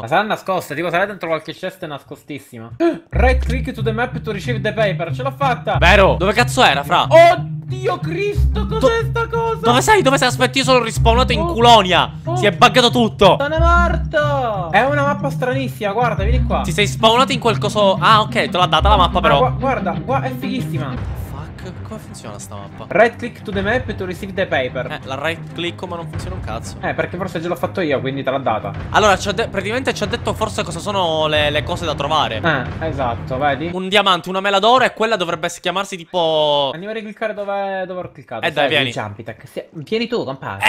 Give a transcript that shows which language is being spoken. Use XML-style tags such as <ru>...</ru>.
<it>Ma sarà nascosta, tipo sarà dentro qualche cesta nascostissima.</it> <en>Right click to the map to receive the paper.</en> <it>Ce l'ho fatta. Vero? Dove cazzo era, fra? Oh Dio Cristo, cos'è sta cosa? Dove sei? Dove sei? Aspetti, io sono respawnato in Culonia. Si è buggato tutto. Sono morto. È una mappa stranissima, guarda, vieni qua. Ti sei spawnato in qualcosa. Ah, ok, te l'ha data la mappa, però. Guarda, qua è fighissima. Come funziona sta mappa?</it> <en>Right click to the map to receive the paper.</en> <it>La right click, ma non funziona un cazzo. Perché forse ce l'ho fatto io, quindi te l'ha data. Allora, praticamente ci ha detto forse cosa sono le cose da trovare. Esatto, vedi? Un diamante, una mela d'oro e quella dovrebbe chiamarsi tipo... Andiamo a ricliccare dove ho cliccato. Dai, vieni. Vieni tu, compagno.</it>